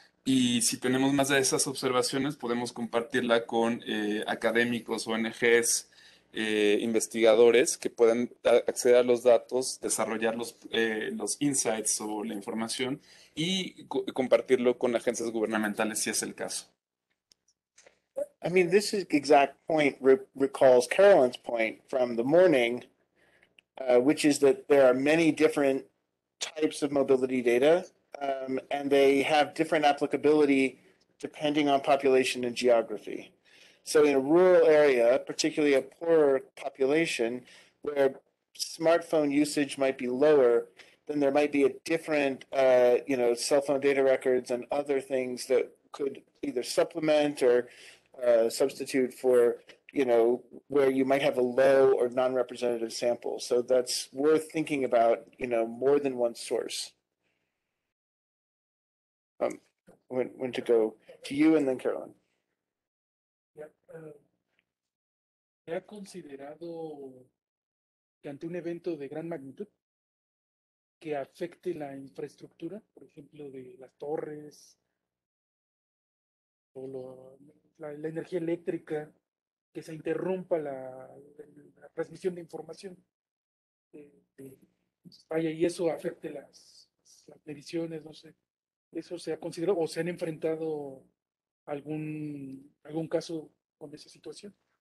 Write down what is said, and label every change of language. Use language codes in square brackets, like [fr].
[es] Y si tenemos más de esas observaciones, podemos compartirla con académicos, ONGs, investigadores que puedan acceder a los datos, desarrollar los insights o la información y co compartirlo con agencias gubernamentales si es el caso. [en] I mean, this is exact point re recalls Carolyn's point from the morning, which is that there are many different types of mobility data, and they have different applicability depending on population and geography. So, in a rural area, particularly a poorer population, where smartphone usage might be lower, then there might be a different, cell phone data records and other things that could either supplement or substitute for, where you might have a low or non-representative sample. So that's worth thinking about, more than one source. When to go to you and then Carolyn. [es] ¿Se ha considerado que ante un evento de gran magnitud que afecte la infraestructura, por ejemplo, de las torres o la energía eléctrica, que se interrumpa la transmisión de información, vaya, y eso afecte las mediciones, no sé, eso se ha considerado o se han enfrentado algún caso con esa situación?